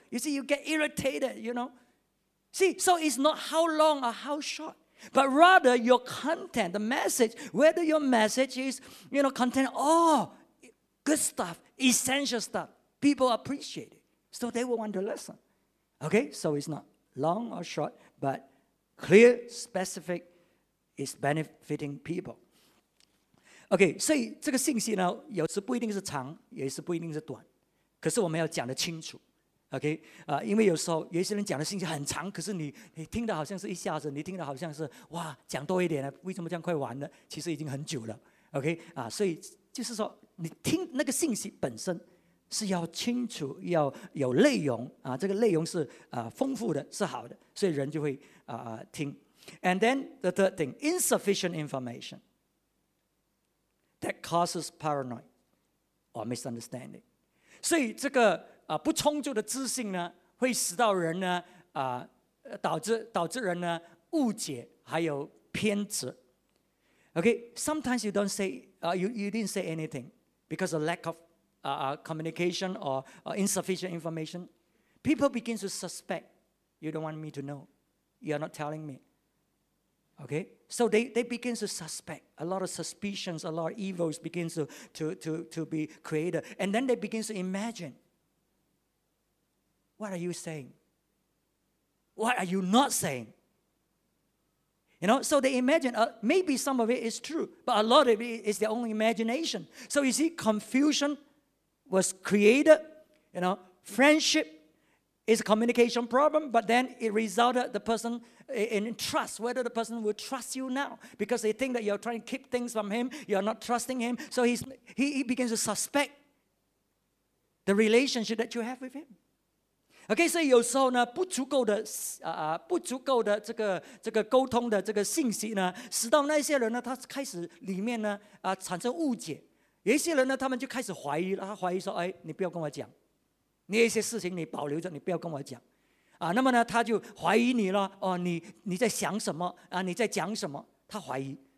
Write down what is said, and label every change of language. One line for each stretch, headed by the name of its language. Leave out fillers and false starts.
English: You see, you get irritated, you know. See, so it's not how long or how short, but rather your content, the message, whether your message is, you know, content, oh, good stuff, essential stuff. People appreciate it. So they will want to listen. Okay, so it's not long or short, but clear, specific, is benefiting people.
Chinese: OK, 所以这个信息呢，有时不一定是长，也是不一定是短，可是我们要讲得清楚。 OK, 因为有时候有一些人讲的信息很长，可是你听的好像是一下子，你听的好像是哇，讲多一点了，为什么这样快完了？其实已经很久了。 OK, 所以就是说，你听那个信息本身是要清楚，要有内容啊，这个内容是丰富的，是好的，所以人就会听。
English: And then the third thing, insufficient information. That causes paranoia or misunderstanding.
Chinese: 所以这个不充足的资讯呢，会使到人呢导致人呢误解还有偏执。
English: Okay, sometimes you don't say, you didn't say anything because of lack of communication or insufficient information. People begin to suspect, you don't want me to know, you're not telling me. Okay, so they begin to suspect, a lot of suspicions, a lot of evils begin to be created. And then they begin to imagine, what are you saying? What are you not saying? You know, so they imagine, maybe some of it is true, but a lot of it is their own imagination. So you see, confusion was created, you know, friendship is a communication problem, but then it resulted the person in trust, whether the person will trust you now, because they think that you're trying to keep things from him, you're not trusting him, so he begins to suspect the relationship that you have with him.
Chinese: Okay, so 有时候呢，不足够的不足够的这个沟通的这个信息呢，使到那些人呢，他开始里面呢产生误解。有一些人呢，他们就开始怀疑了，他怀疑说，哎，你不要跟我讲，你一些事情你保留着，你不要跟我讲，那么呢，他就怀疑你了，哦，你在想什么啊？你在讲什么？他怀疑。